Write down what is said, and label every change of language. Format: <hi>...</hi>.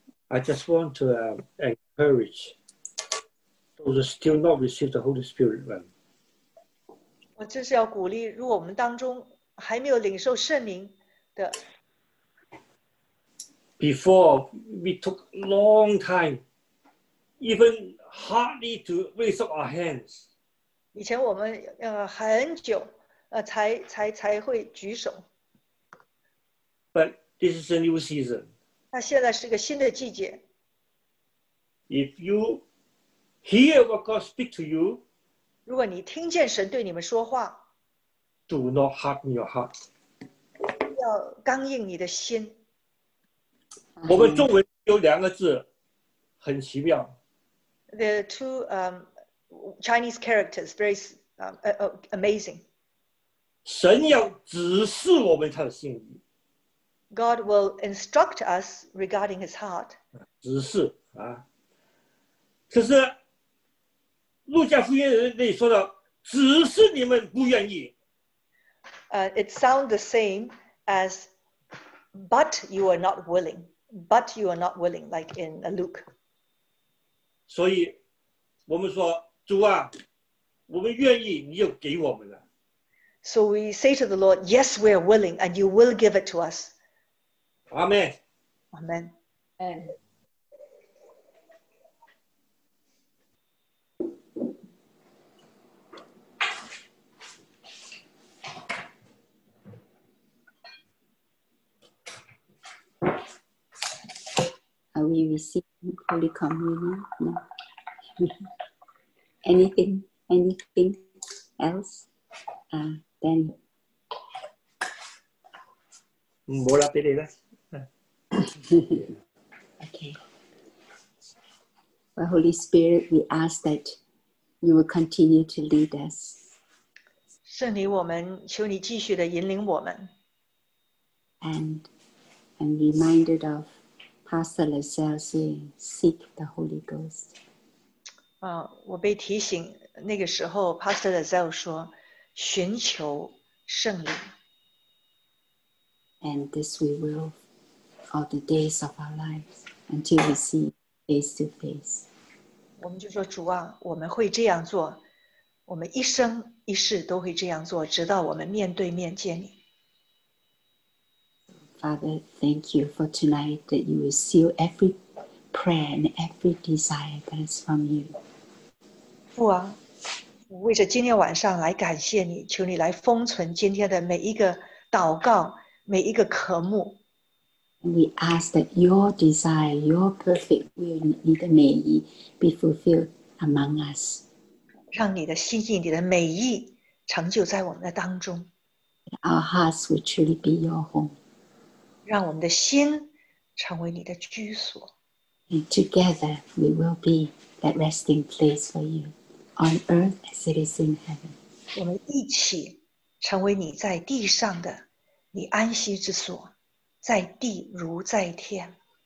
<en>I just want to encourage those who still not receive the Holy Spirit. Well,</en> <zh>我就是要鼓励，如果我们当中还没有领受圣灵的。</zh> <en>Before we took long time, even hardly to raise up our hands.</en> <zh>以前我们很久才会举手。</zh> <en>But this is a new season.</en> <zh>那现在是个新的季节。</zh> <en>If you hear what God speaks to you,</en> <zh>如果你听见神对你们说话，</zh> <en>do not harden your heart.</en> <zh>要刚硬你的心。 Mm-hmm. 我们中文有两个字，很奇妙。</zh> <en>The two Chinese characters very amazing.</en> <zh>神要指示我们他的心意。</zh> <en>God will instruct us regarding His heart.</en> <zh>指示啊，可是路加福音那里说的，指示你们不愿意。</zh> <en>It sounds the same as, but you are not willing. But you are not willing, like in Luke.</en> <zh>所以我们说，主啊，我们愿意，你就给我们了。</zh> <en>So we say to the Lord, yes, we are willing, and you will give it to us. Amen. Amen. Amen. Are we receiving Holy Communion? No. Anything else? Danny. Mola Pereira. Okay. Well, Holy Spirit, we ask that you will continue to lead us.</en> <zh>圣灵，我们求你继续地引领我们。</zh> <en>And reminded of Pastor Lazelle saying, seek the Holy Ghost.</en> <zh>我被提醒，那个时候 Pastor Lazelle 说，寻求圣灵。</zh> <en>And this we will all the days of our lives until we see face to face.</en> <zh>我们就说，主啊，我们会这样做，我们一生一世都会这样做，直到我们面对面见你。</zh> <en>Father, thank you for tonight that you will seal every prayer and every desire that is from you.</en> <zh>父王，我为着今天晚上来感谢你，求你来封存今天的每一个祷告，每一个渴慕。</zh> <en>We ask that your desire, your perfect will,</en> <zh>你的美意</zh> <en>be fulfilled among us.</en> <zh>让你的心意，你的美意成就在我们的当中。</zh> <en>Our hearts will truly be your home.</en> <zh>让我们的心成为你的居所。</zh> <en>And together we will be that resting place for you on earth as it is in heaven.</en> <zh>我们一起成为你在地上的你安息之所，在地如在天。</zh>